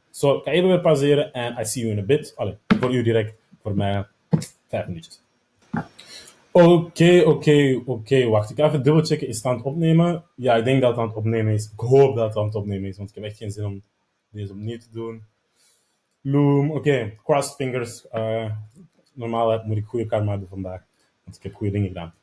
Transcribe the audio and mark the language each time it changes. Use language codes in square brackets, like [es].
[nl] Zo, ik ga even weer pauzeren en [en] I see you in a bit. [nl] Allee, voor u direct, voor mij 5 minuutjes. Oké. Wacht, ik ga even dubbelchecken. Is het aan het opnemen? Ja, ik denk dat het aan het opnemen is. Ik hoop dat het aan het opnemen is, want ik heb echt geen zin om deze opnieuw te doen. Loom, oké, [en] crossed fingers. [nl] Normaal moet ik goede karma hebben vandaag, want ik heb goede dingen gedaan.